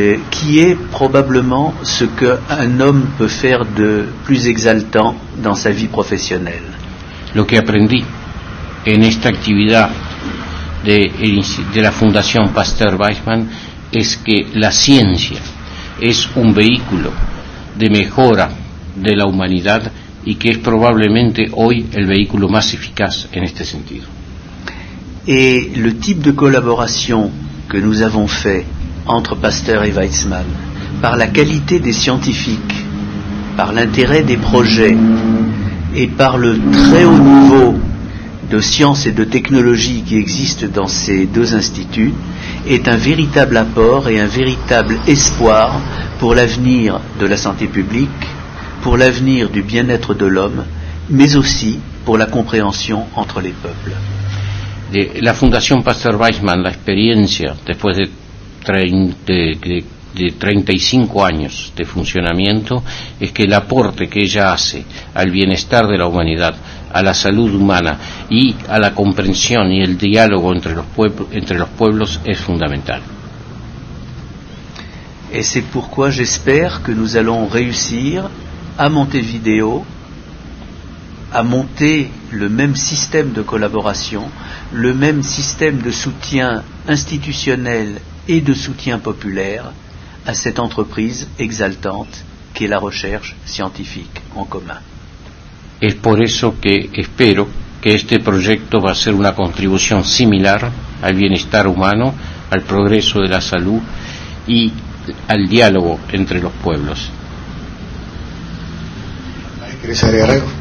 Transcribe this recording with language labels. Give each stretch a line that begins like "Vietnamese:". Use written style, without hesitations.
French: Qui est probablement ce qu'un homme peut faire de plus exaltant dans sa vie professionnelle.
Spanish: Lo que aprendí en esta actividad de la Fundación Pasteur Weizmann es que la ciencia es un vehículo de mejora de la humanidad y que es probablemente hoy el vehículo más eficaz en este sentido.
French: Et le type de collaboration que nous avons fait entre Pasteur et Weizmann, par la qualité des scientifiques, par l'intérêt des projets et par le très haut niveau de science et de technologie qui existe dans ces deux instituts, est un véritable apport et un véritable espoir pour l'avenir de la santé publique, pour l'avenir du bien-être de l'homme, mais aussi pour la compréhension entre les peuples.
Spanish: La Fundación Pasteur Weizmann,
French: l'expérience,
Spanish: después de 35 años de funcionamiento, es que el aporte que ella hace al bienestar de la humanidad, a la salud humana y a la comprensión y el diálogo entre los pueblos es fundamental.
French: Et c'est pourquoi j'espère que nous allons réussir à Montevideo à monter le même système de collaboration, le même système de soutien institutionnel et de soutien populaire à cette entreprise exaltante qu'est la recherche scientifique en commun.
Spanish: Es por eso que espero que este proyecto va a ser una contribución similar al bienestar humano, al progreso de la salud y al diálogo entre los pueblos. ¿Quieres agregar algo?